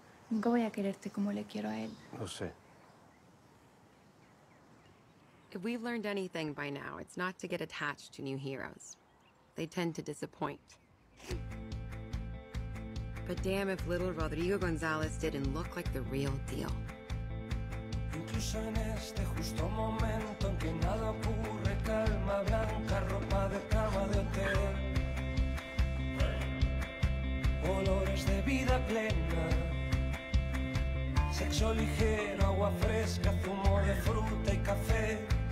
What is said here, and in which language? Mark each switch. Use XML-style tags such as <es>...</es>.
<es>Nunca voy a quererte como le quiero a él. Lo sé.</es> <en>If we've learned anything by now, it's not to get attached to new heroes. They tend to disappoint. But damn if little Rodrigo González didn't look like the real deal.</en> <es>Incluso en este justo momento en que nada ocurre, calma blanca, ropa de cama de hotel. Olores de vida plena. Sexo ligero, agua fresca, zumo de fruta y café.</es>